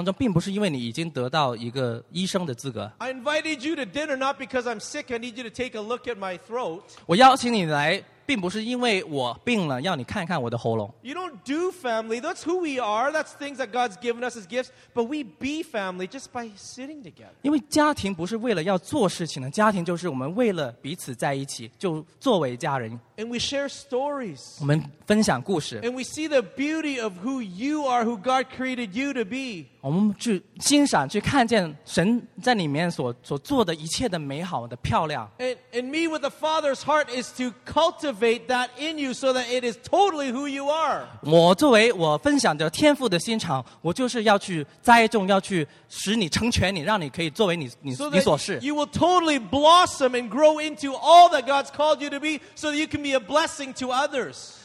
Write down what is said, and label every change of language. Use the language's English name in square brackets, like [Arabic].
[Chinese] 你可以坐在一个家庭的宴席当中，并不是因为你已经得到一个医生的资格。 [English] I invited you to dinner not because I'm sick. I need you to take a look at my throat. [Chinese] 我邀请你来，并不是因为我病了，要你看看我的喉咙。 [English] You don't do family. That's who we are. That's things that God's given us as gifts. But we be family just by sitting together. [Chinese] 因为家庭不是为了要做事情的，家庭就是我们为了彼此在一起，就作为家人。 [English] And we share stories. [Chinese] 我们分享故事。 [English] And we see the beauty of who you are, who God created you to be. [Chinese] 我们去欣赏，去看见神在里面所做的一切的美好的漂亮。 [English] And me with the Father's heart is to cultivate that in you so that it is totally who you are. [Chinese] 我作为我分享的天父的心肠，我就是要去栽种，要去使你成全你，让你可以作为你所是。 [English] So that you will totally blossom and grow into all that God's called you to be so that you can be a blessing to others.